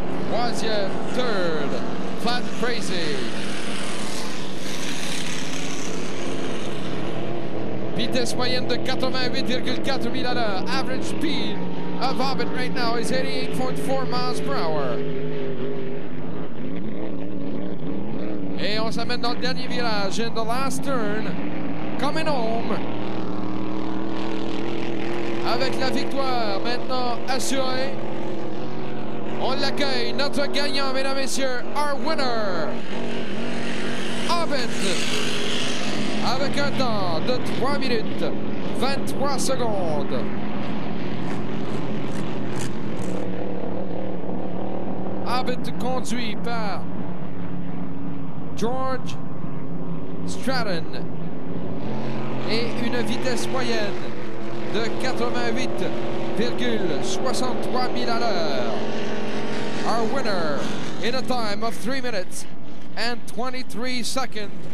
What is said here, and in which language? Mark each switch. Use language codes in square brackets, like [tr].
[fr] Troisième, third, Flat Crazy. Vitesse moyenne de 88,4 miles à l'heure. [en] Average speed of Abbott right now is 88.4 miles per hour. [fr] Et on s'amène dans le dernier virage, [en] in the last turn, coming home. [fr] Avec la victoire maintenant assurée, on l'accueille, notre gagnant, mesdames et messieurs, [en] our winner, [fr] Abbott. Avec un temps de 3 minutes, 23 secondes. Abbott conduit par George Stratton et une vitesse moyenne de 88,63 miles à l'heure. [en] Our winner in a time of 3 minutes and 23 seconds.